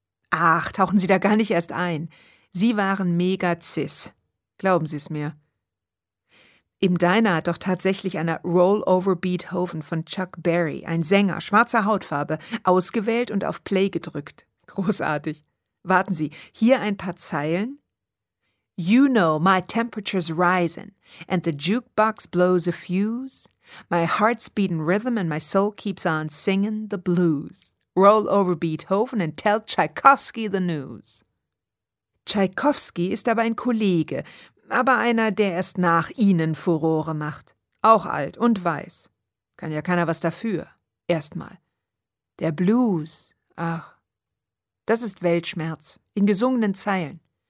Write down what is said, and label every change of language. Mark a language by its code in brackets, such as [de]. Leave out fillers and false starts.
[de] Ach, tauchen Sie da gar nicht erst ein. Sie waren mega cis. Glauben Sie es mir. Im Diner hat doch tatsächlich einer Rollover Beethoven von Chuck Berry, ein Sänger, schwarzer Hautfarbe, ausgewählt und auf Play gedrückt. Großartig. Warten Sie, hier ein paar Zeilen. [en] You know my temperature's rising and the jukebox blows a fuse. My heart's beating rhythm and my soul keeps on singing the blues. Roll over Beethoven and tell Tchaikovsky the news. [de] Tchaikovsky ist aber ein Kollege, aber einer, der erst nach Ihnen Furore macht. Auch alt und weiß. Kann ja keiner was dafür. Erstmal. Der Blues. Ach, das ist Weltschmerz. In gesungenen Zeilen.